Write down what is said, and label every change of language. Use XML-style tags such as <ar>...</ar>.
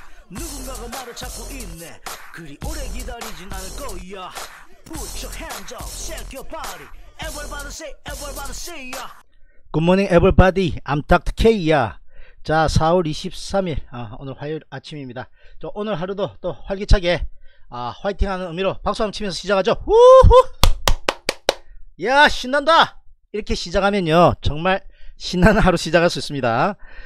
<ko>누군가가 말을 찾고 있네. 그리 오래 기다리진 않을 거야.</ko> <en>Put your hands up, shake your body. Everybody say, everybody say ya. Good morning everybody, I'm Dr.</en> <ko>K야. 자, 4월 23일 오늘 화요일 아침입니다. 저 오늘 하루도 또 활기차게 화이팅하는 의미로 박수 한번 치면서 시작하죠. 우후! 야, 신난다. 이렇게 시작하면요 정말 신나는 하루 시작할 수 있습니다.</ko>